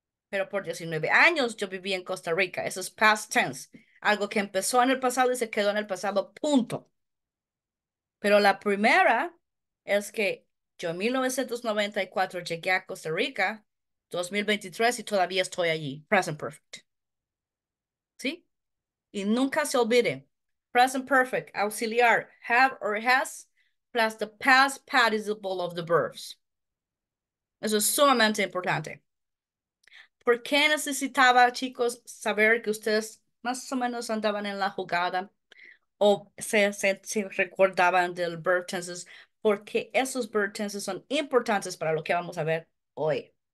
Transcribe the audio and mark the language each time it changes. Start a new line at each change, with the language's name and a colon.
Spanish: Pero por 19 años yo viví en Costa Rica. Eso es past tense. Algo que empezó en el pasado y se quedó en el pasado. Punto. Pero la primera es que yo en 1994 llegué a Costa Rica, 2023, y todavía estoy allí. Present perfect. ¿Sí? Y nunca se olvide.
English: Present perfect, auxiliar, have or has, plus the past participle of the verbs.
Spanish: Eso es sumamente importante. ¿Por qué necesitaba, chicos, saber que ustedes más o menos andaban en la jugada? ¿O se recordaban del verb tenses? Porque esos verb tenses son importantes para lo que vamos a ver hoy.